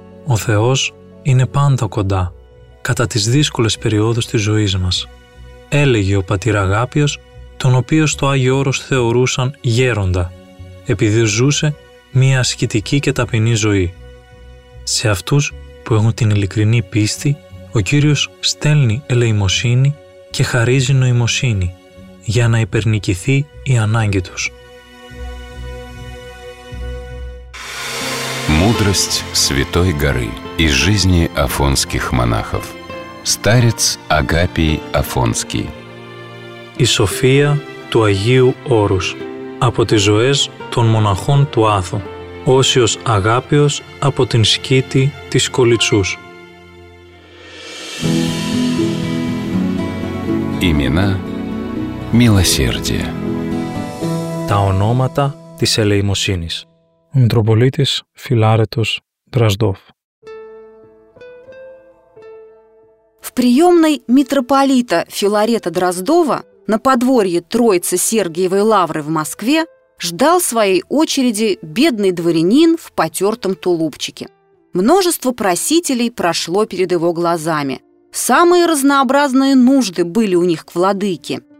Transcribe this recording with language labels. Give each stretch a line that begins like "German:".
Greek: Ο Θεός είναι πάντα κοντά, κατά τις δύσκολες περιόδους της ζωής μας, έλεγε ο πατήρ Αγάπιος, τον οποίο στο Άγιο Όρος θεωρούσαν γέροντα, επειδή ζούσε μία ασκητική και ταπεινή ζωή. Σε αυτούς που έχουν την ειλικρινή πίστη, ο Κύριος στέλνει ελεημοσύνη και χαρίζει νοημοσύνη, για να υπερνικηθεί η ανάγκη τους.
Russian: Мудрость Святой Горы из жизни афонских монахов. Старец Агапий Афонский.
Greek: Η Σοφία του Αγίου Όρους από τις ζωές των μοναχών του Άθου. Όσιος Αγάπιος από την Σκήτη της Κολυτσούς.
Russian: Имена милосердия.
Greek: Τα ονόματα της ελεημοσύνης. Ο Μητροπολίτης Φιλάρετος Δραζδόφ.
Russian: В приемной митрополита Филарета Дроздова на подворье Троицы Сергиевой Лавры в Москве ждал своей очереди бедный дворянин в потертом тулупчике. Множество просителей прошло перед его глазами. Самые разнообразные нужды были у них к владыке.